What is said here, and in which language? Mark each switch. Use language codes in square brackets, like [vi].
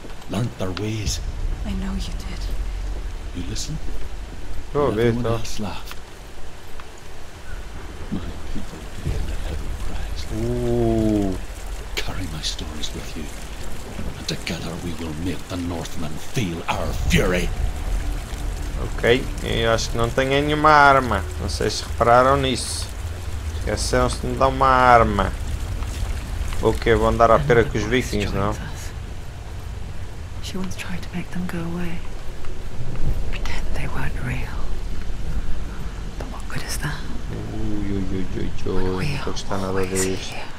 [en] Learned their ways. I know you did. You listen? Oh, wait, no. Laughed. My people paid a heavy price. Ooh. Carry my stories with you. And together we will make the Northmen feel our fury. [pt] Ok, eu acho que não tenho nenhuma arma. Não sei se repararam nisso. Esqueceram-se de me dar uma arma. O que? Vou andar à pera com os vikings, não? [en] She wants to try to make them go away. Pretend they weren't real. But what good is that? [pt] Ui, não estou a gostar nada disso.